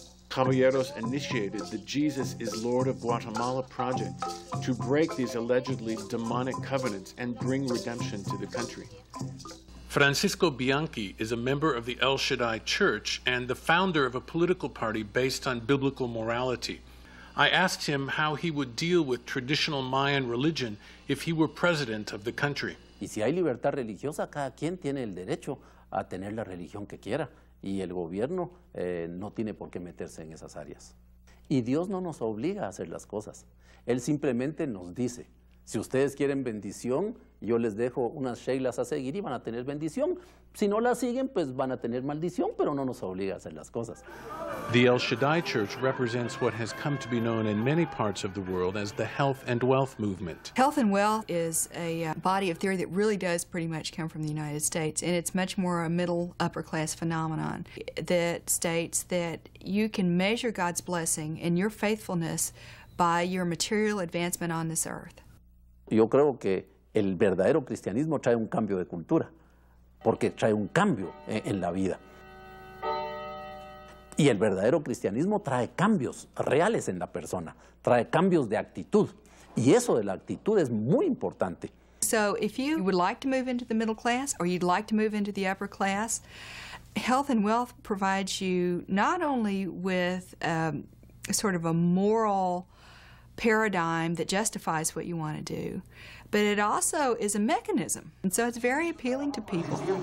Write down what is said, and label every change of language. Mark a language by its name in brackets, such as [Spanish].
[English] Caballeros initiated the Jesus is Lord of Guatemala project to break these allegedly demonic covenants and bring redemption to the country. Francisco Bianchi is a member of the El Shaddai Church and the founder of a political party based on biblical morality. I asked him how he would deal with traditional Mayan religion if he were president of the country. [Spanish] Y si hay libertad religiosa, cada quien tiene el derecho a tener la religión que quiera. Y el gobierno no tiene por qué meterse en esas áreas. Y Dios no nos obliga a hacer las cosas. Él simplemente nos dice, si ustedes quieren bendición, yo les dejo unas reglas a seguir y van a tener bendición. Si no las siguen, pues van a tener maldición, pero no nos obliga a hacer las cosas. [English] The El Shaddai Church represents what has come to be known in many parts of the world as the health and wealth movement. Health and wealth is a body of theory that really does pretty much come from the United States, and it's much more a middle upper class phenomenon that states that you can measure God's blessing and your faithfulness by your material advancement on this earth. [Spanish] Yo creo que el verdadero cristianismo trae un cambio de cultura, porque trae un cambio en la vida. Y el verdadero cristianismo trae cambios reales en la persona, trae cambios de actitud. Y eso de la actitud es muy importante. [English] So if you would like to move into the middle class or you'd like to move into the upper class, health and wealth provides you not only with sort of a moral paradigm that justifies what you want to do, but it also is a mechanism, and so it's very appealing to people.